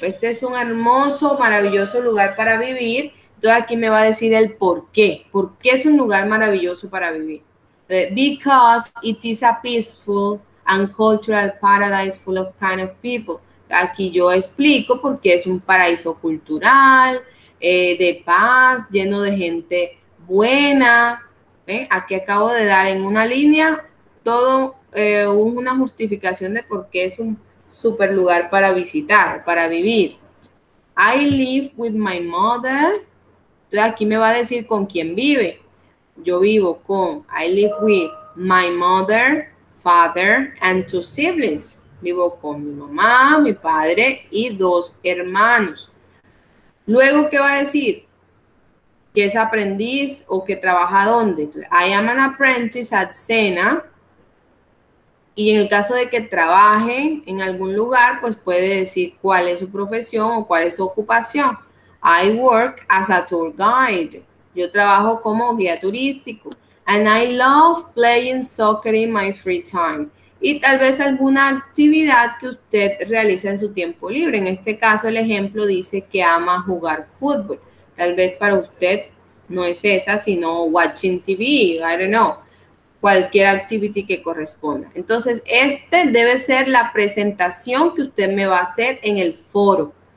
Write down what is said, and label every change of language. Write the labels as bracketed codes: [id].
[es] Este es un hermoso, maravilloso lugar para vivir. Entonces aquí me va a decir el por qué. ¿Por qué es un lugar maravilloso para vivir? [en] Because it is a peaceful and cultural paradise full of kind of people. [es] Aquí yo explico por qué es un paraíso cultural, de paz, lleno de gente buena. Aquí acabo de dar en una línea todo una justificación de por qué es un super lugar para visitar, para vivir. [en] I live with my mother. [es] Entonces aquí me va a decir con quién vive. Yo vivo con, [en] I live with my mother, father and two siblings. [es] Vivo con mi mamá, mi padre y dos hermanos. Luego, ¿qué va a decir? ¿Qué es aprendiz o que trabaja dónde? [en] I am an apprentice at Sena. [es] Y en el caso de que trabaje en algún lugar, pues puede decir cuál es su profesión o cuál es su ocupación. [en] I work as a tour guide. [es] Yo trabajo como guía turístico. [en] And I love playing soccer in my free time. [es] Y tal vez alguna actividad que usted realiza en su tiempo libre. En este caso, el ejemplo dice que ama jugar fútbol. Tal vez para usted no es esa, sino [en] watching TV, I don't know. [es] Cualquier activity que corresponda. Entonces, este debe ser la presentación que usted me va a hacer en el foro.